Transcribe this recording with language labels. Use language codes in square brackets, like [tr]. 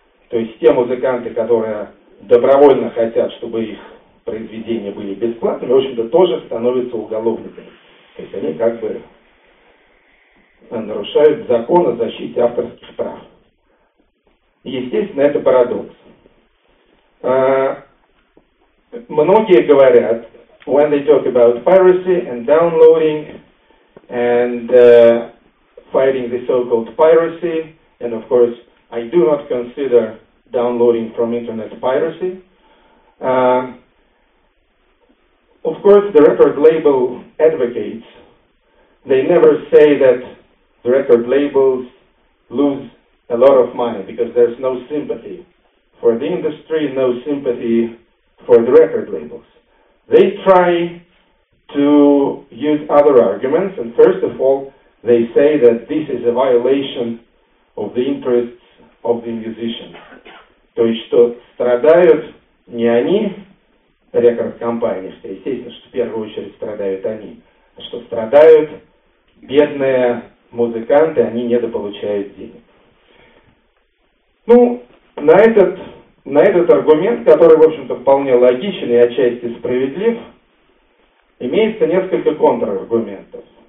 [ru] То есть те музыканты, которые добровольно хотят, чтобы их произведения были бесплатными, в общем-то, тоже становятся уголовниками. То есть они как бы нарушают закон о защите авторских прав. Естественно, это парадокс. Многие говорят, [en] when they talk about piracy and downloading and fighting the so-called piracy, and of course, I do not consider downloading from internet piracy. Of course, the record label advocates, they never say that the record labels lose a lot of money because there's no sympathy for the industry, no sympathy for the record labels. They try to use other arguments, and first of all, they say that this is a violation of the interests of the musician. [ru] То есть, что страдают не они, рекорд-компании, что естественно, что в первую очередь страдают они, а что страдают бедные музыканты, они недополучают денег. Ну, на этот аргумент, который, в общем-то, вполне логичен и отчасти справедлив, имеется несколько контраргументов.